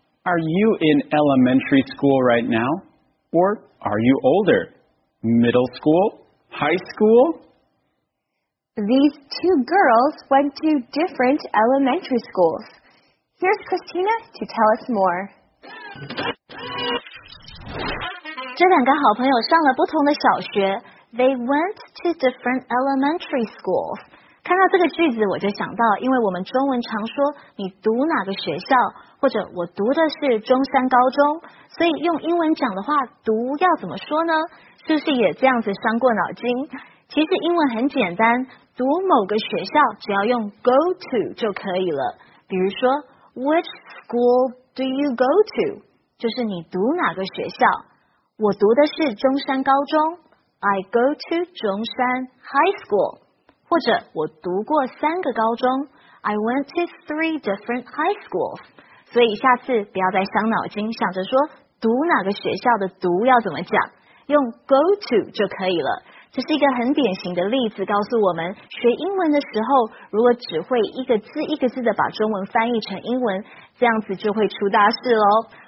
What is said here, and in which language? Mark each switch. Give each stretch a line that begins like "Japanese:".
English: Are you in elementary school right now? Or are you older? Middle school? High school? These two girls went to different elementary schools. Here's Christina to tell us more.
Chinese: 这两个好朋友上了不同的小学。
English: They went to different elementary schools.
Chinese: 看到这个句子我就想到，因为我们中文常说你读哪个学校，或者我读的是中山高中，所以用英文讲的话，读要怎么说呢？是不是也这样子伤过脑筋？其实英文很简单，读某个学校只要用 go to 就可以了。
English: 比如说 which school do you go to?
Chinese: 就是你读哪个学校。我读的是中山高中，
English: I go to 中山 high school。
Chinese: 或者我读过三个高中，
English: I went to three different high schools。
Chinese: 所以下次不要再伤脑筋想着说读哪个学校的读要怎么讲，用 go to 就可以了。这是一个很典型的例子，告诉我们学英文的时候，如果只会一个字一个字的把中文翻译成英文，这样子就会出大事咯。